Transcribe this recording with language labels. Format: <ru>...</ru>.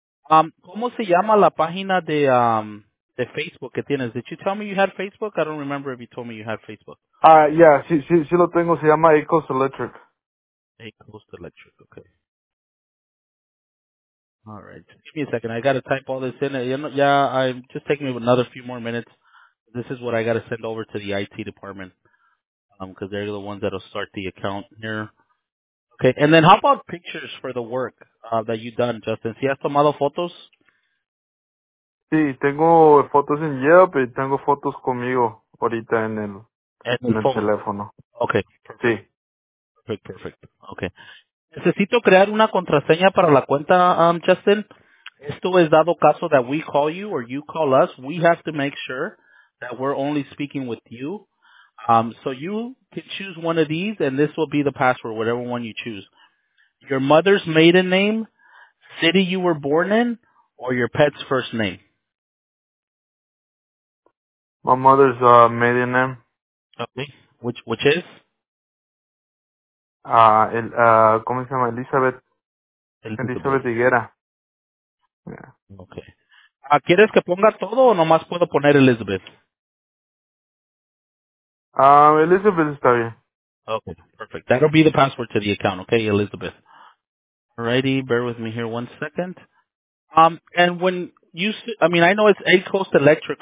<es>¿Cómo se llama la página de Facebook que tienes?</es> <en>Did you tell me you had Facebook? I don't remember if you told me you had Facebook.</en> <es>Yeah, sí lo tengo. Se llama Ecos Electric.</es> <en>Ecos Electric, okay. All right. Give me a second. I got to type all this in. Yeah, I'm just taking me another few more minutes. This is what I got to send over to the IT department because they're the ones that will start the account here. Okay, and then how about pictures for the work that you've done, Justin?</en> <es>¿Sí has tomado fotos? Sí, tengo fotos en Yelp y tengo fotos conmigo ahorita en el teléfono.</es> <en>Okay.</en> <es>Sí.</es> <en>Perfect. Okay.</en> <es>Necesito crear una contraseña para la cuenta, Justin. Esto es dado caso</es> <en>that we call you or you call us. We have to make sure that we're only speaking with you. So you can choose one of these, and this will be the password, whatever one you choose. Your mother's maiden name, city you were born in, or your pet's first name? My mother's maiden name. Okay. Which is?</en> <es>¿Cómo se llama? Elizabeth Higuera. Yeah.</es> <en>Okay.</en> <es>¿Quieres que ponga todo o nomás puedo poner Elizabeth? Elizabeth está bien.</es> <en>Okay, perfect. That'll be the password to the account, okay, Elizabeth. Alrighty, bear with me here 1 second. And when you, I know it's A-Coast Electric.</en>